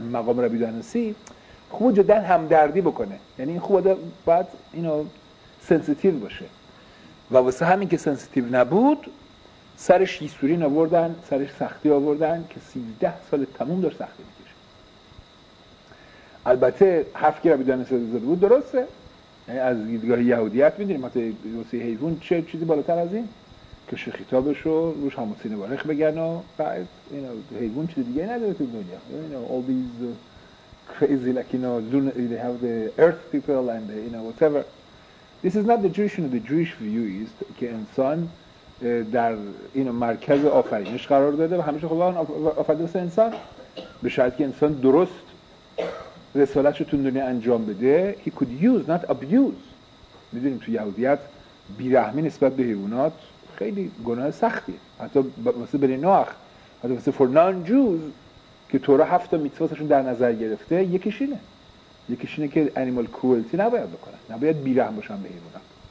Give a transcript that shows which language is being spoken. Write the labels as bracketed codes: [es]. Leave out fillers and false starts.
[fa] در مقام ربی دهنسی خوب جدا همدردی بکنه، یعنی این خوب باید اینو سنسیتیو باشه، و واسه همین که سنسیتیو نبود سرش یسورین آوردن، سرش سختی آوردن که 13 سال تموم داره سختی میکشه. البته حرفی که ربی دهنسی زده بود درسته، از دیدگاه یهودیت می‌دونیم حتی واسه حیوان چه چیزی بالاتر از این که شو خطابش رو روش هموسینه بارخ بگن و بعد این حیوان چیز دیگه نداره تو دنیا. [en] All these crazy like they have the earth people and whatever. This is not the Jewish. The Jewish view is [fa] که انسان در مرکز آفرینش قرار داده و همیشه خدا آفرده است انسان، به شرطی که انسان درست رسالتش رو تو دنیا انجام بده. [en] He could use not abuse. [fa] میدونیم تو یهودیت بیرحمی نسبت به حیوانات خیلی گناه سختیه، حتی واسه بنی نوح، حتی واسه [en] for non Jews [fa] که تورا 7 تا میتواسشون در نظر گرفته، یکیش اینه که انیمال کروئلتی نباید بکنن، نباید بیرحم باشن به حیوانات.